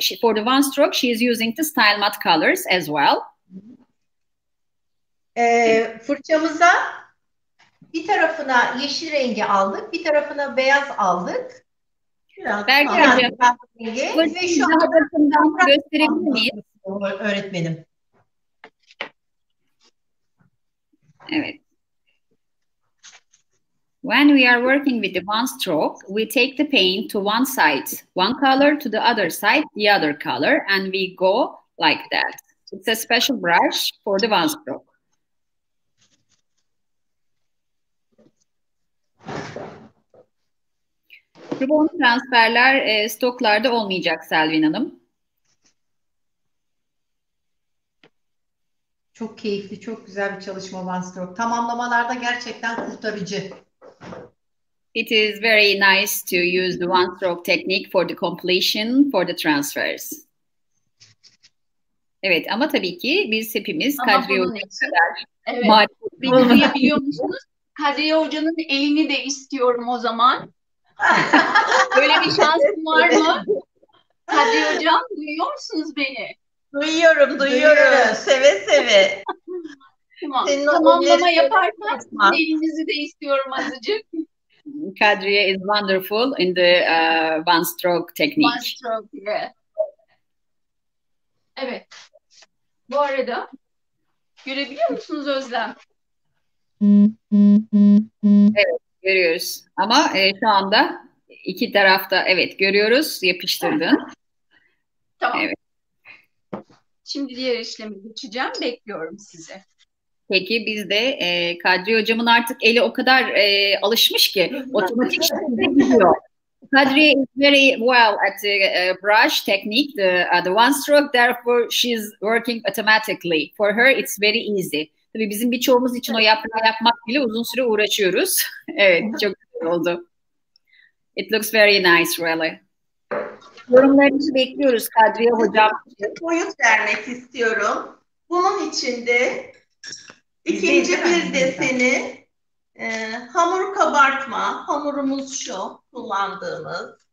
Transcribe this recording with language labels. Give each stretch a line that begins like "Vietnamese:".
English: She, for the one stroke, she is using the style matte colors as well.
Turkish: Fırçamıza bir tarafına yeşil rengi aldık, bir tarafına beyaz aldık. Belki hocam, gösterebilir miyiz? Öğretmenim. Evet.
English: When we are working with the one stroke, we take the paint to one side, one color, to the other side, the other color, and we go like that. It's a special brush for the one stroke.
Turkish: Rubon transferler stoklarda olmayacak Selvin Hanım. Çok keyifli, çok güzel bir çalışma one stroke. Tamamlamalarda gerçekten kurtarıcı.
English: It is very nice to use the one stroke technique for the completion for the transfers.
Turkish: Evet ama tabii ki biz hepimiz Kadriye Hoca'nın Kadriye Hoca'nın elini de istiyorum o zaman. Böyle bir şansım var mı? Kadriye Hocam duyuyor musunuz beni? Duyuyorum. Seve seve. Tamamlama yaparken elinizi de istiyorum azıcık.
English: Kadriye is wonderful in the one stroke technique. One stroke, yeah.
Turkish: Evet. Bu arada görebiliyor musunuz Özlem? Evet, görüyoruz. Ama şu anda iki tarafta evet görüyoruz, yapıştırdın. Tamam. Evet. Şimdi diğer işlemi geçeceğim, bekliyorum sizi. Peki biz de Kadriye Hocam'ın artık eli o kadar alışmış ki otomatik şekilde gidiyor.
English: Kadriye is very well at the brush technique, the one stroke, therefore she's working automatically. For her it's very easy.
Turkish: Tabii bizim birçoğumuz için o yaprağı yapmak bile uzun süre uğraşıyoruz. Evet, çok güzel oldu.
English: It looks very nice really.
Turkish: Yorumlarınızı bekliyoruz Kadriye Hocam. Boyut vermek istiyorum. Bunun için de İkinci bir deseni hamur kabartma, hamurumuz şu kullandığımız.